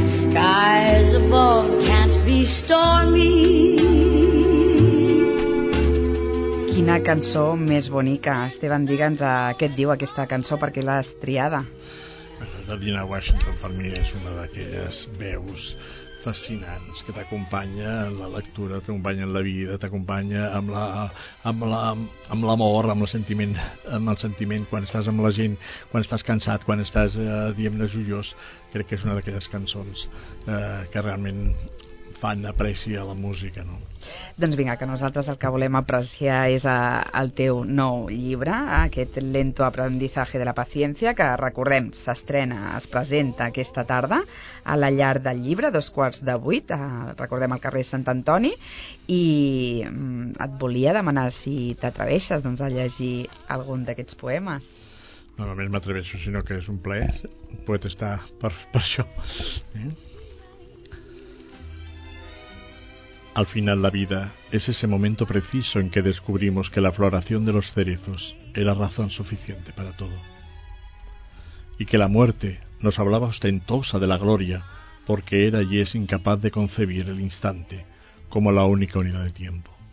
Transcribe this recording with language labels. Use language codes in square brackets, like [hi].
[en] Skies above can't be stormy. [ca] Quina cançó més bonica. Esteban, digue'ns què et diu aquesta cançó, perquè l'has triada. La Dinah Washington per mi és una d'aquelles veus fascinants, que t'acompanya en la lectura, t'acompanya en la vida, t'acompanya amb la, amb la, amb l'amor, amb el sentiment, amb el sentiment quan estàs amb la gent, quan estàs cansat, quan estàs, diguem-ne, joiós. Crec que és una d'aquelles cançons que realment fan apreciar la música, no? Doncs vinga, que nosaltres el que volem apreciar és el teu nou llibre, aquest Lento Aprendizaje de la Paciencia, que recordem, s'estrena, es presenta aquesta tarda a la Llar del Llibre, 7:45, recordem, al carrer Sant Antoni, i et volia demanar si t'atreveixes, doncs, a llegir algun d'aquests poemes. No només m'atreveixo, sinó que és un plaer, pot estar per això, eh? [es] Al final la vida es ese momento preciso en que descubrimos que la floración de los cerezos era razón suficiente para todo. Y que la muerte nos hablaba ostentosa de la gloria porque era y es incapaz de concebir el instante como la única unidad de tiempo.